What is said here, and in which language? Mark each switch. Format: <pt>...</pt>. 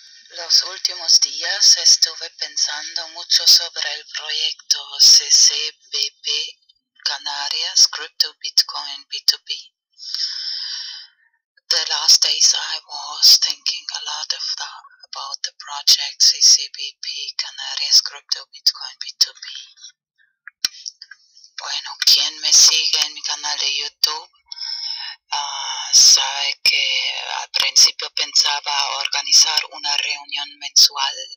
<es>Los últimos días estuve pensando mucho sobre el proyecto CCBP Canarias Crypto Bitcoin B2B.</es> <en>The last days I was thinking a lot of about the project CCBP Canarias Crypto Bitcoin B2B.</en> <es>Bueno, quien me sigue en mi canal de YouTube sabe que al principio pensaba organizar una reunión mensual.</es>